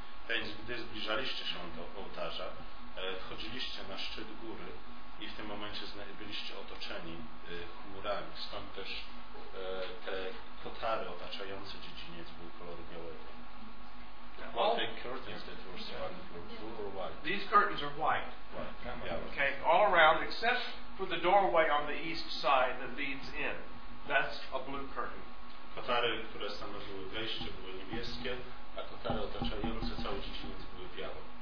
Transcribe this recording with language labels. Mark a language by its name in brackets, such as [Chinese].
[Polish] Więc gdy zbliżaliście się do ołtarza, wchodziliście na szczyt góry i w tym momencie byliście otoczeni chmurami. Stąd też te kotary otaczające dziedziniec były koloru białego. [English] What big curtains that were surrounded were blue or white? These curtains are white. White. Yeah. Okay, all around except for the doorway on the east side that leads in. That's a blue curtain. [Polish] Kotary, które stanowiły wejście, były niebieskie, a kotary otaczające cały dziedziniec były białe.